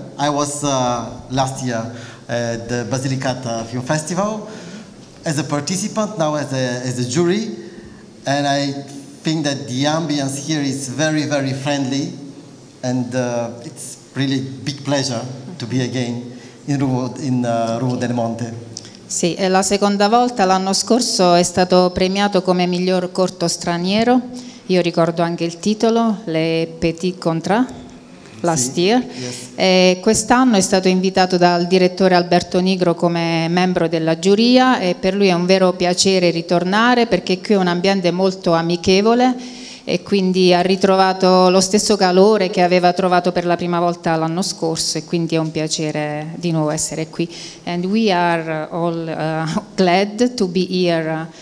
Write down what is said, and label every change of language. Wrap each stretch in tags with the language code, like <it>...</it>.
<en>I was last year at the Basilicata Film Festival as a participant, now as a jury, and I think that the ambience here is very, very friendly, and it's really a big pleasure to be again in Ruvo del Monte.</en> <it>Sì, è la seconda volta. L'anno scorso è stato premiato come miglior corto straniero. Io ricordo anche il titolo, Les Petits Contrats.</it> <en>last year. Yes.</en> <it>E quest'anno è stato invitato dal direttore Alberto Nigro come membro della giuria e per lui è un vero piacere ritornare perché qui è un ambiente molto amichevole e quindi ha ritrovato lo stesso calore che aveva trovato per la prima volta l'anno scorso e quindi è un piacere di nuovo essere qui.</it> <en>And we are all glad to be here.</en>